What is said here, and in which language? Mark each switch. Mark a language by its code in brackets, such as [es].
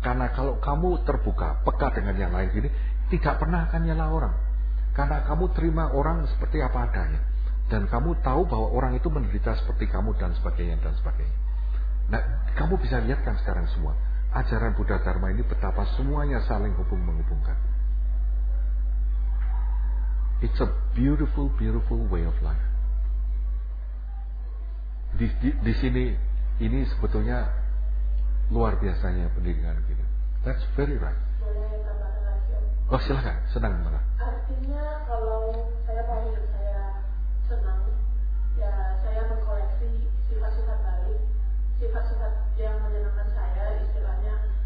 [id] Karena kalau kamu terbuka, peka dengan yang lain ini, tidak pernah akan nyela orang. Karena kamu terima orang seperti apa adanya, dan kamu tahu bahwa orang itu menderita seperti kamu dan sebagainya dan sebagainya. Nah, kamu bisa lihatkan sekarang semua ajaran Buddha Dharma ini betapa semuanya saling hubung menghubungkan. [en] It's a beautiful, beautiful way of life. [id] Di sini ini sebetulnya luar biasanya pendidikan gitu. [en] That's very right. [id] Boleh tambahkan lagi om? Oh silakan, senang malah. Artinya kalau saya pahami saya senang, ya saya mengkoleksi sifat-sifat baik, sifat-sifat yang menyenangkan saya, istilahnya.